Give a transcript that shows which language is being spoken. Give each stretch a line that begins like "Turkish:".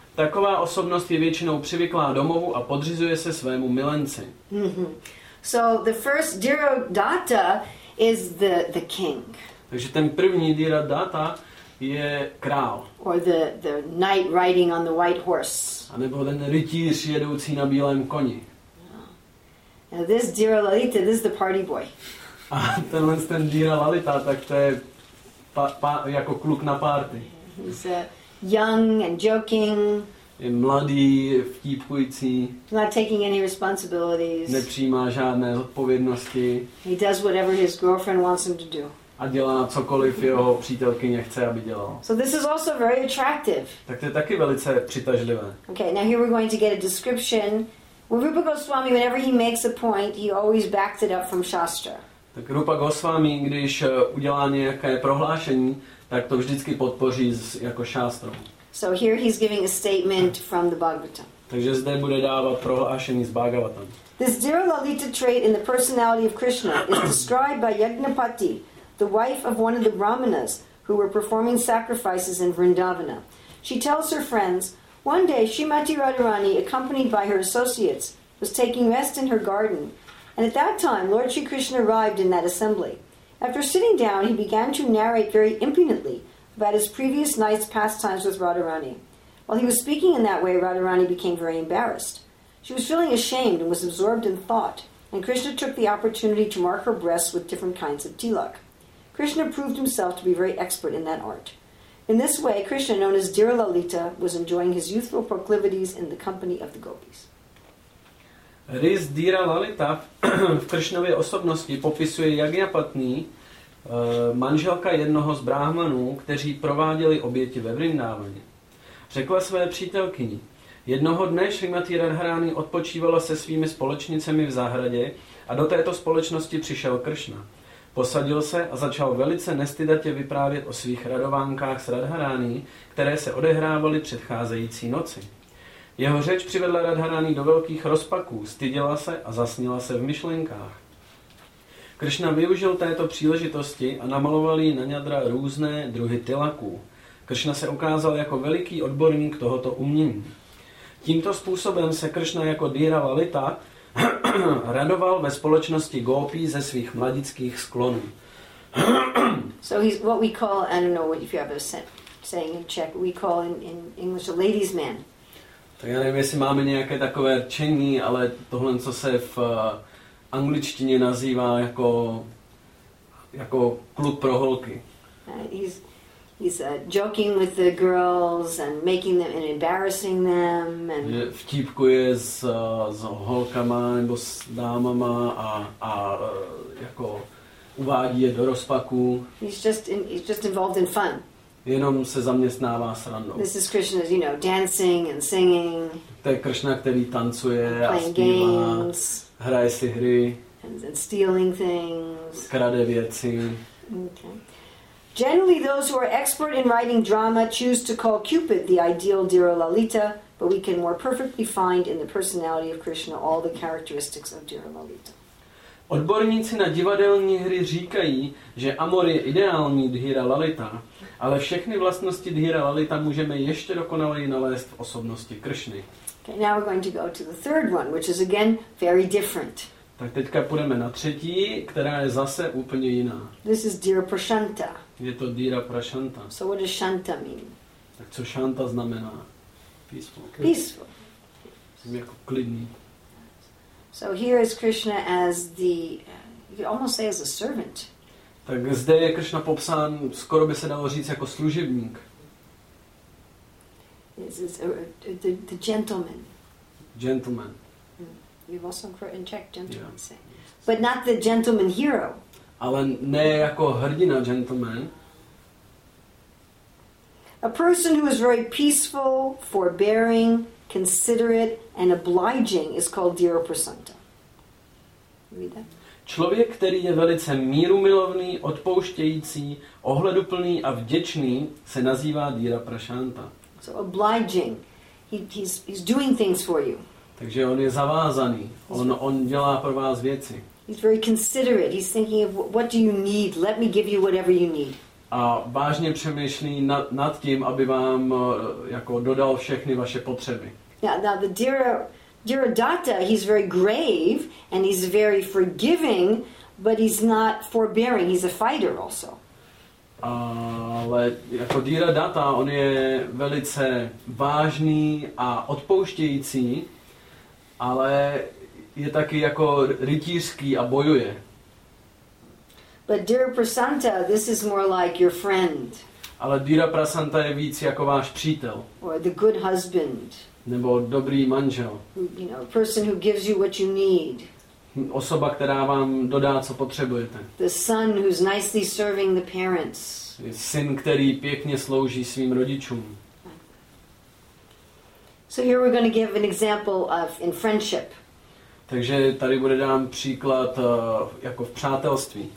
Czech: Taková osobnost je většinou přivyklá domovu a podřizuje se svému milenci.
English: So the first Dhiradatta is the king.
Czech: Takže ten první Dhiradatta je král.
English: Or the knight riding on the white horse.
Czech: A nebo ten rytíř jedoucí na bílém koni.
English: Now this Dhiralalita, this is the party boy.
Czech: A tenhle ten Dhiralalita, tak to je jako kluk na party.
English: He's young and joking.
Czech: Je mladý, vtípkující.
English: Not taking any responsibilities.
Czech: Nepřijímá žádné odpovědnosti.
English: He does whatever his girlfriend wants him to do.
Czech: A dělá cokoliv jeho přítelkyně chce, aby dělal.
English: So this is also very attractive.
Czech: Tak to je taky velice přitažlivé.
English: Okay, now here we're going to get a description. Well, Rupa Goswami, whenever he makes a point, he always backs it up from Shastra.
Czech: Tak Rupa Goswami, když udělá nějaké prohlášení, tak to vždycky podpoří jako Shastra.
English: So here he's giving a statement from the Bhagavatam.
Czech: Takže zde bude dávat prohlášení z Bhagavatam.
English: This Dhiralalita trait in the personality of Krishna is described by Yajnapati, the wife of one of the Brahmanas who were performing sacrifices in Vrindavana. She tells her friends, one day Srimati Radharani, accompanied by her associates, was taking rest in her garden, and at that time Lord Sri Krishna arrived in that assembly. After sitting down, he began to narrate very impudently about his previous night's pastimes with Radharani. While he was speaking in that way, Radharani became very embarrassed. She was feeling ashamed and was absorbed in thought, and Krishna took the opportunity to mark her breasts with different kinds of tilak. Krishna proved himself to be very expert in that art. In this way, Krishna, known as Dhiralalita, was enjoying his youthful proclivities in the company of the gopis.
Czech: Rys Dhiralalita v Krishnově osobnosti popisuje Yajnapati, manželka jednoho z bráhmanů, kteří prováděli oběti ve Vrindávaně. Řekla své přítelkyni, jednoho dne Srimati Radharani odpočívala se svými společnicemi v zahradě a do této společnosti přišel Krishna. Posadil se a začal velice nestydatě vyprávět o svých radovánkách s Radharani, které se odehrávaly předcházející noci. Jeho řeč přivedla Radharani do velkých rozpaků, styděla se a zasnila se v myšlenkách. Krishna využil této příležitosti a namaloval jí na ňadra různé druhy tilaků. Krishna se ukázal jako veliký odborník tohoto umění. Tímto způsobem se Krishna jako Dhiralalita radoval ve společnosti gopí ze svých mladických sklonů.
English: So he's what we call, I don't know what if you have a saying in Czech, we call in English a ladies' man.
Czech: Tak já nevím, jestli máme nějaké takové čení, ale tohle, co se v angličtině nazývá jako klub pro holky.
English: He's joking with the girls and making them and embarrassing them and
Czech: vtípkuje s holkama nebo s dámama a jako uvádí je do rozpaku.
English: He's just involved in fun.
Czech: Jenom se zaměstnává srandou.
English: This is Krishna, you know, dancing and singing.
Czech: To je Krishna, který tancuje a zpívá,
English: games,
Czech: hraje si hry.
English: And stealing things.
Czech: Krade věci.
English: Generally, those who are expert in writing drama choose to call Cupid the ideal Dhiralalita, but we can more perfectly find in the personality of Krishna all the characteristics of Dhiralalita.
Czech: Odborníci na divadelní hry říkají, že Amor je ideální Dhiralalita, ale všechny vlastnosti Dhiralalita můžeme ještě dokonaleji nalézt v osobnosti Krishny.
English: Okay, now we're going to go to the third one, which is again very different.
Czech: Tak teďka půjdeme na třetí, která je zase úplně jiná.
English: This is Dhira Prashanta.
Czech: Je to Dhira Prashanta.
English: So what does Shanta mean?
Czech: Tak co Shanta znamená?
English: Peaceful. Okay. Peaceful.
Czech: Jsem jako klidný.
English: So here is Krishna as the, you could almost say as a servant.
Czech: Tak zde je Krishna popsán, skoro by se dalo říct, jako služebník.
English: The gentleman.
Czech: Gentleman.
English: You've also heard in Czech gentleman say. But not the gentleman hero.
Czech: Ale ne jako hrdina gentleman.
English: A person who is very peaceful, forbearing, considerate, and obliging is called Dhira Prashanta.
Czech: Člověk, který je velice mírumilovný, odpouštějící, ohleduplný a vděčný, se nazývá Dhira Prashanta.
English: So obliging. He's doing things for you.
Czech: Takže on je zavázaný. On dělá pro vás věci.
English: He's very considerate. He's thinking of what do you need? Let me give you whatever you need.
Czech: A vážně přemýšlí nad tím, aby vám jako dodal všechny vaše potřeby.
English: Now the Dhiradatta, he's very grave and he's very forgiving, but he's not forbearing. He's a fighter also.
Czech: Ale jako Dhiradatta, on je velice vážný a odpouštějící, ale je taky jako rytířský a bojuje.
English: But Dhira Prashanta, this is more like your friend.
Czech: Ale Dhira Prashanta je víc jako váš přítel.
English: Or the good husband.
Czech: Nebo dobrý manžel.
English: You know, person who gives you what you need.
Czech: Osoba, která vám dodá, co potřebujete.
English: The son who's nicely serving the parents.
Czech: Je syn, který pěkně slouží svým rodičům.
English: So here we're going to give an example of in friendship.
Czech: Takže tady bude dám příklad jako v přátelství.